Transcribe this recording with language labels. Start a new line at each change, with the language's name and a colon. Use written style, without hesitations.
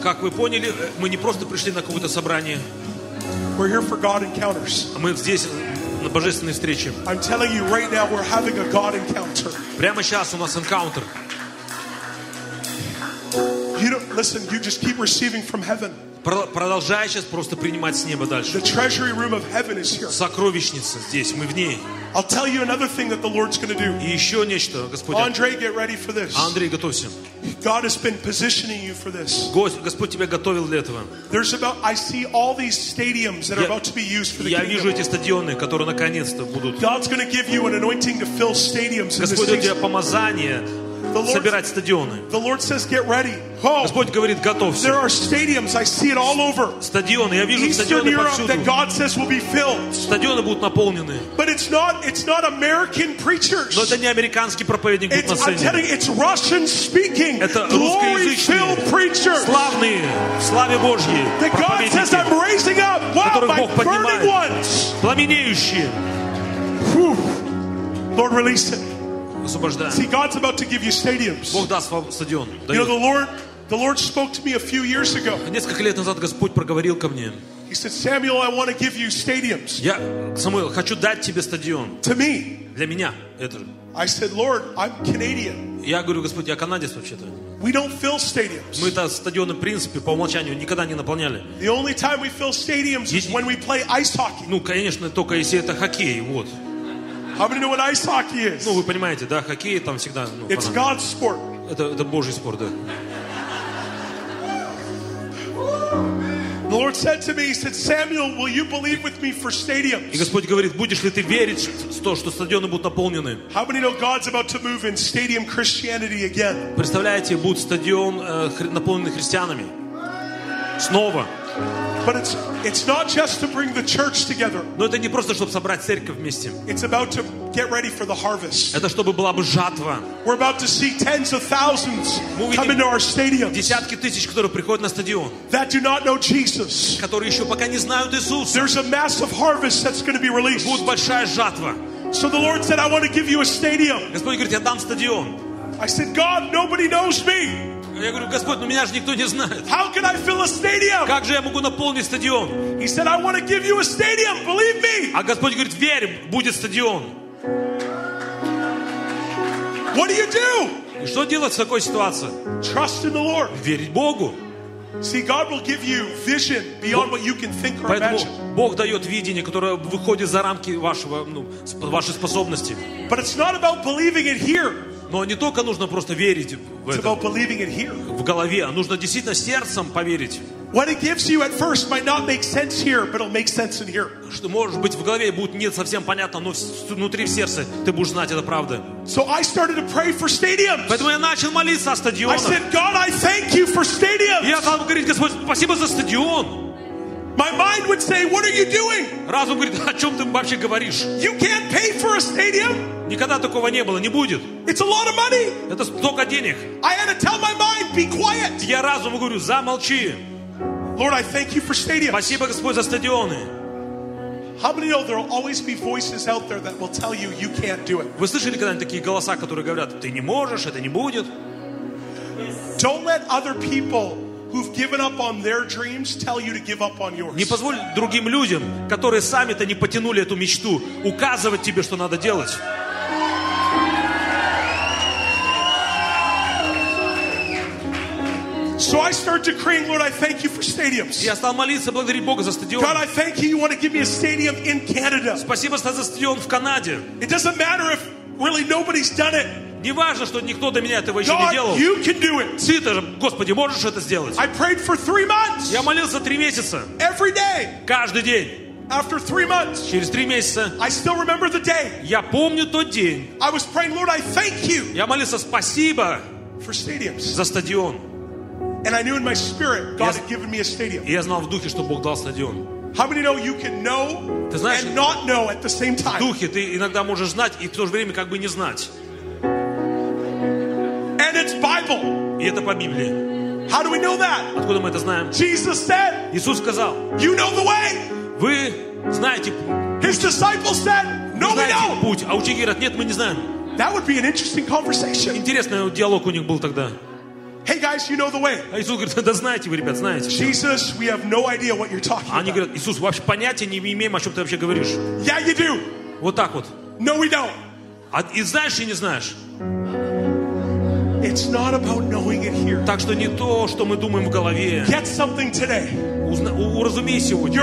Russian: Как вы поняли, мы не просто пришли на какое-то собрание.
English: We're here for God encounters.
Russian: Мы здесь на божественной встрече.
English: I'm telling you right now, we're having a God encounter.
Russian: Прямо сейчас у нас encounter.
English: You don't listen. You just keep receiving from heaven.
Russian: Продолжай сейчас просто принимать с неба дальше.
English: The treasury room of heaven is here.
Russian: Сокровищница здесь, мы в ней.
English: I'll tell you another thing that the Lord's going to do.
Russian: И еще нечто, Господь.
English: Andrei, get ready for this.
Russian: Андрей, готовься.
English: God has been positioning you for this.
Russian: Господь тебя готовил для этого.
English: There's about I see all these stadiums that are about to be used for the kingdom.
Russian: Я вижу эти стадионы, которые наконец-то будут.
English: God's going to give you an anointing to fill stadiums.
Russian: Господь дает тебе помазание собирать стадионы.
English: The Lord says, get ready.
Russian: Господь говорит, готовься.
English: There are stadiums, I see it all over.
Russian: Стадионы, я вижу стадионы повсюду.
English: That God says will be filled.
Russian: Стадионы будут наполнены.
English: But it's not American preachers.
Russian: Но это не американский проповедник будет на сцене.
English: It's Russian speaking.
Russian: Это русскоязычные
English: preachers.
Russian: Славные, славе Божьей.
English: That God says I'm raising up. Wow, my burning ones.
Russian: Пламенеющие.
English: Lord, release it. See, God's about to give you stadiums.
Russian: Бог даст вам стадион.
English: You know, the Lord spoke to me a few years ago.
Russian: Несколько лет назад Господь проговорил ко мне.
English: He said, Samuel, I want to give you stadiums.
Russian: Я, Самуил, хочу дать тебе стадион.
English: To me.
Russian: Для меня это.
English: I said, Lord, I'm Canadian.
Russian: Я говорю, Господь, я канадец вообще-то.
English: We don't fill stadiums.
Russian: Мы это стадионы, в принципе, по умолчанию никогда не наполняли.
English: The only time we fill stadiums is when we play ice hockey.
Russian: Ну, конечно, только если это хоккей, вот.
English: How many know what ice hockey is?
Russian: Ну, вы понимаете, да, хоккей там всегда, ну,
English: it's
Russian: фанат.
English: God's sport.
Russian: Это Божий спорт, да.
English: The Lord said to me, he said, Samuel, will you believe with me for stadiums?
Russian: И Господь говорит, будешь ли ты верить в то, что стадионы будут наполнены?
English: How many know God's about to move in stadium Christianity again?
Russian: Представляете, будет стадион наполненный христианами. Снова.
English: But it's not just to bring the church together.
Russian: Но это не просто чтобы собрать церковь вместе.
English: It's about to get ready for the harvest.
Russian: Это чтобы была бы жатва.
English: We're about to see tens of thousands come into our stadiums.
Russian: Десятки тысяч, которые приходят на стадион.
English: That do not know Jesus.
Russian: Которые еще пока не знают Иисуса.
English: There's a massive harvest that's going to be released.
Russian: Будет большая жатва.
English: So the Lord said, I want to give you a stadium.
Russian: Господь говорит, я дам стадион.
English: I said, God, nobody knows me.
Russian: Я говорю, Господь, но меня же никто не знает.
English: How can I fill a stadium?
Russian: Как же я могу наполнить стадион?
English: He said, I want to give you a stadium. Believe me.
Russian: А Господь говорит, верь, будет стадион.
English: What do you do?
Russian: И что делать в такой ситуации?
English: Trust in the Lord.
Russian: Верить Богу.
English: See, God will give you vision beyond what you can think or imagine.
Russian: Поэтому Бог дает видение, которое выходит за рамки вашего, ну, вашей способности.
English: But it's not about believing it here.
Russian: Но не только нужно просто верить в это, в голове, а нужно действительно сердцем поверить. Что может быть в голове будет не совсем понятно, но внутри в сердце ты будешь знать, это правда.
English: So I started to pray for stadiums.
Russian: Поэтому я начал молиться о стадионах.
English: I said, God, I thank you for stadiums.
Russian: Я стал говорить, Господь, спасибо за стадион.
English: My mind would say, what are you doing?
Russian: Разум говорит, о чем ты вообще говоришь?
English: You can't pay for a stadium.
Russian: Никогда такого не было, не будет.
English: It's a lot of money.
Russian: Это столько денег.
English: I had to tell my mind, be quiet.
Russian: Я разуму говорю, замолчи.
English: Lord, I thank you for stadiums.
Russian: Спасибо, Господь, за стадионы.
English: How many know there will always be voices out there that will tell you you can't do it?
Russian: Вы слышали когда-нибудь такие голоса, которые говорят, ты не можешь, это не будет?
English: Don't let other people who've given up on their dreams tell you to give up on yours.
Russian: Не позволь другим людям, которые сами-то не потянули эту мечту, указывать тебе, что надо делать.
English: So I start decreeing, Lord, I thank you for stadiums.
Russian: Я стал молиться, благодарить Бога за стадион.
English: God, I thank you. You want to give me a stadium in Canada.
Russian: Спасибо за стадион в Канаде.
English: It doesn't matter if really nobody's done it.
Russian: Не важно, что никто до меня этого еще
English: God,
Russian: не делал.
English: You can do it.
Russian: Ты тоже, Господи, можешь это сделать.
English: I prayed for 3 months.
Russian: Я молился 3 месяца.
English: Every day.
Russian: Каждый день.
English: After 3 months,
Russian: через 3 месяца,
English: I still remember the day.
Russian: Я помню тот день.
English: I was praying, Lord, I thank you.
Russian: Я молился, спасибо
English: for stadiums.
Russian: За стадион.
English: And I knew in my spirit God had given me a stadium.
Russian: Я знал в духе, что Бог дал стадион.
English: How many know you can know and not know at the same time?
Russian: В духе ты иногда можешь знать и в то же время как бы не знать.
English: And it's Bible.
Russian: И это по Библии.
English: How do we know that?
Russian: Откуда мы это знаем?
English: Jesus said.
Russian: Иисус сказал.
English: You know the way.
Russian: Вы знаете путь.
English: His disciples said, No, we don't.
Russian: Путь. А ученики говорят, нет, мы не знаем.
English: That would be an interesting conversation.
Russian: Интересный диалог у них был тогда.
English: Hey guys, you know the way.
Russian: Иисус говорит, да знаете вы, ребят, знаете.
English: Jesus, we have no idea what you're talking.
Russian: Они говорят, Иисус, вообще понятия не имеем, о чем ты вообще говоришь.
English: Yeah, you do.
Russian: Вот так вот.
English: No, we don't.
Russian: А и знаешь, и не знаешь.
English: It's not about knowing it here.
Russian: Так что не то, что мы думаем в голове.
English: Get something today.
Russian: Уразуми сегодня.